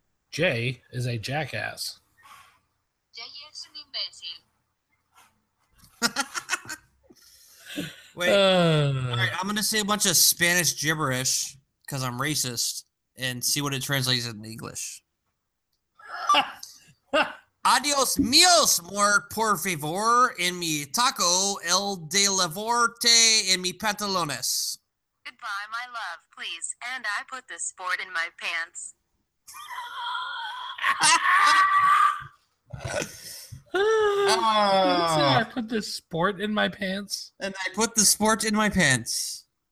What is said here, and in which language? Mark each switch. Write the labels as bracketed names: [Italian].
[English] Jay is a jackass. Jay is an imbecile. Wait. All right, I'm gonna say a bunch of Spanish gibberish. Because I'm racist, and see what it translates in English. [Spanish] Adios míos, mor por favor, en mi taco, el de lavorte, en mi pantalones. [English] Goodbye, my love, please, and I put the sport in my pants. I put the sport in my pants? And I put the sport in my pants.